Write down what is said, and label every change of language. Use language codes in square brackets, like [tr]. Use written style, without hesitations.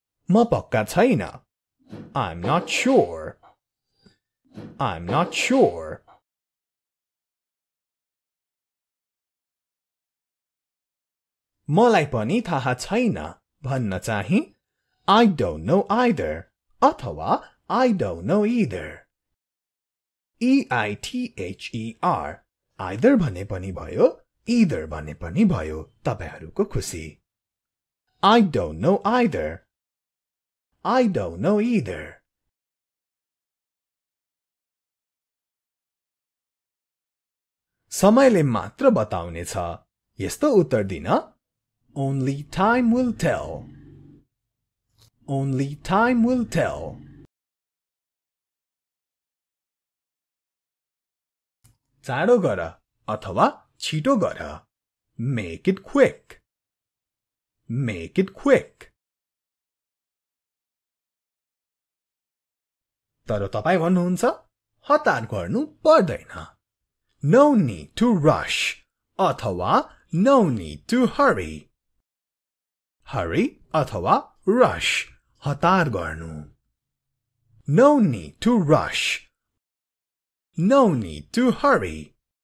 [ne] म पक्का छैन। [en] I'm not sure. I'm not sure. [ne] मलाई पनि थाहा छैन भन्न चाहि [en] I don't know either. अथवा I don't know either. E-I-T-H-E-R. [ne] Either भने पनि भयो, either भने पनि भयो, तपाईहरुको खुशी। [en] I don't know either. I don't know either. [ne] समयले मात्र बताउनेछ। यस्तो उत्तर दिन। [en] Only time will tell. Only time will tell. [ne] चाँडो गर, अथवा छिटो गर। [en] Make it quick. Make it quick. [ne] तर तपाई भन्नुहुन्छ, हतार गर्नु पर्दैन। [en] No need to rush. अथवा no need to hurry. [ne] Hurry अथवा rush, हतार गर्नु। [en] No need to rush. No need to hurry.